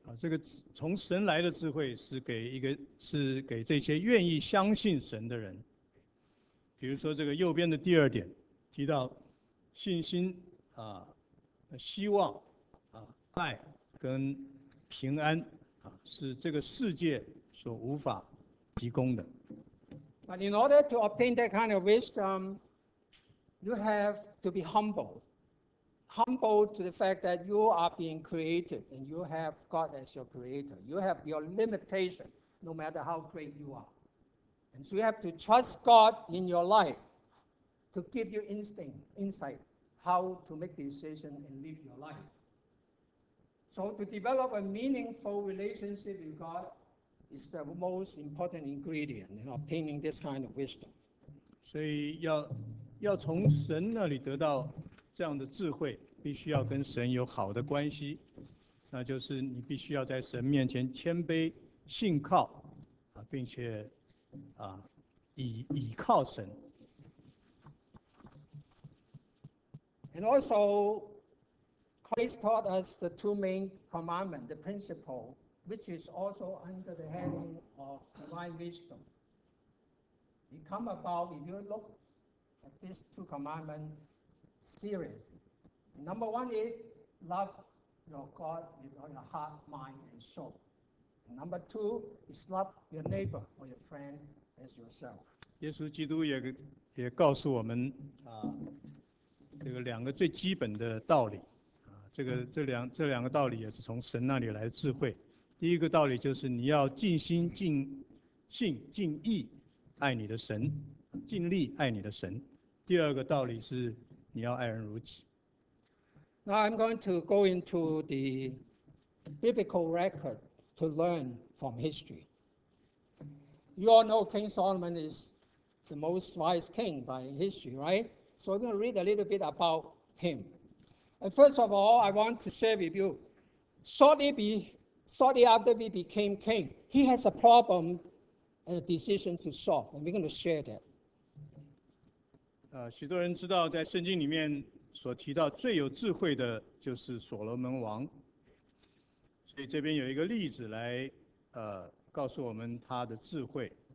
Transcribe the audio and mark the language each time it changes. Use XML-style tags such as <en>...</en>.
<zh>这个从神来的智慧是给一个是给这些愿意相信神的人。比如说这个右边的第二点提到信心啊、希望啊、爱跟平安啊，是这个世界所无法提供的。</zh> <en>But in order to obtain that kind of wisdom, you have to be humble. Humble to the fact that you are being created and you have God as your creator. You have your limitation, no matter how great you are. And so you have to trust God in your life to give you instinct, insight, how to make decisions and live your life. So to develop a meaningful relationship with God is the most important ingredient in obtaining this kind of wisdom. 所以要从神那里得到这样的智慧必须要跟神有好的关系，那就是你必须要在神面前谦卑信靠，并且倚靠神。 And also Christ taught us the two main commandments, the principle which is also under the heading of divine wisdom. It come about if you look at these two commandmentsSeriously. Number one is love your God with all your heart, mind, and soul. Number two is love your neighbor or your friend as yourself.</en> <zh>耶稣基督也告诉我们啊，这个两个最基本的道理啊，这两个道理也是从神那里来的智慧。第一个道理就是你要尽心、尽性、尽意爱你的神，尽力爱你的神。第二个道理是。你要爱人如己。</zh> <en>Now I'm going to go into the biblical record to learn from history. You all know King Solomon is the most wise king by history, right? So I'm going to read a little bit about him. And first of all, I want to share with you, shortly after he became king, he has a problem and a decision to solve, and we're going to share that.</en> <zh>许多人知道在圣经里面所提到最有智慧的就是所罗门王，所以这边有一个例子来告诉我们他的智慧。</zh>